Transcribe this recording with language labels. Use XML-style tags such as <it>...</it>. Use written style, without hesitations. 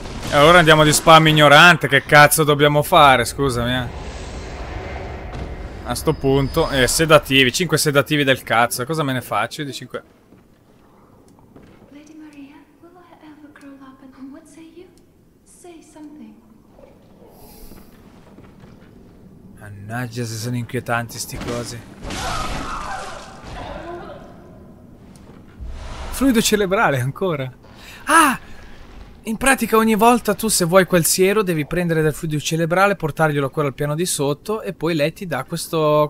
<it>Allora andiamo di spam ignorante, che cazzo dobbiamo fare, scusami, A sto punto, sedativi, 5 sedativi del cazzo, cosa me ne faccio di 5?</it> <en>Lady Maria, will I ever grow up and what say you? Say something.</en> <it>Mannaggia, se sono inquietanti sti cosi. Fluido cerebrale, ancora? Ah! In pratica ogni volta tu, se vuoi quel siero, devi prendere del fluido cerebrale, portarglielo quello al piano di sotto e poi lei ti dà questo...</it>